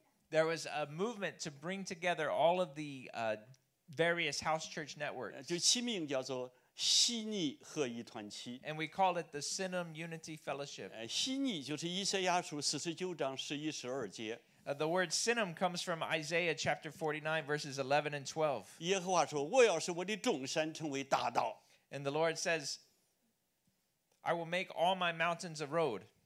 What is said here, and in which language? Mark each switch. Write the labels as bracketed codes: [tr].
[en] There was a movement to bring together all of the various house church networks. And we call it the Sinim Unity Fellowship. The word Sinim comes from Isaiah chapter 49, verses 11 and 12. [zh] 耶和华说：“我要使我的众山成为大道。” [en] And the Lord says, I will make all my mountains a road.